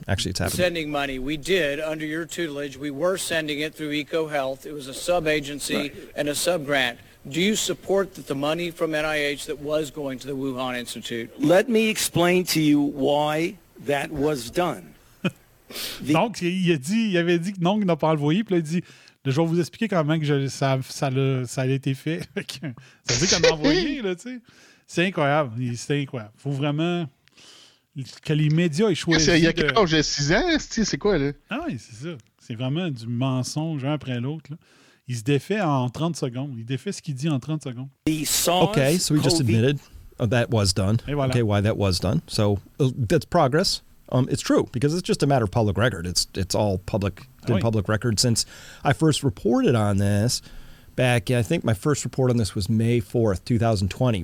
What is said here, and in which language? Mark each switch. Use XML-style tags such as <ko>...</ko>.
<en>Actually, it's happening. Sending money. We did, under your tutelage. We were sending it through EcoHealth. It was a sub-agency and a sub-grant. Do you support that the money from NIH that was going to the Wuhan Institute? Let me explain to you why that was done.</en> <fr>Donc, il a dit, il avait dit que non, il n'a pas envoyé, puis là, il dit, je vais vous expliquer comment que ça a été fait. Ça veut dire qu'il a envoyé, là, tu sais. C'est incroyable, c'est incroyable. Faut vraiment que les médias aient choisi. Il y a quel âge, j'ai 6 ans, c'est quoi, là? Ah oui, c'est ça. C'est vraiment du mensonge un après l'autre, là. Il se défait en 30 secondes. Il défait ce qu'il dit en 30 secondes.</fr> <en>Okay, so he just admitted that was done.</en> <fr>Voilà.</fr> <en>Okay, why that was done. So that's progress. It's true, because it's just a matter of public record. It's all public, been public record since I first reported on this back, I think my first report on this was May 4th, 2020.</en>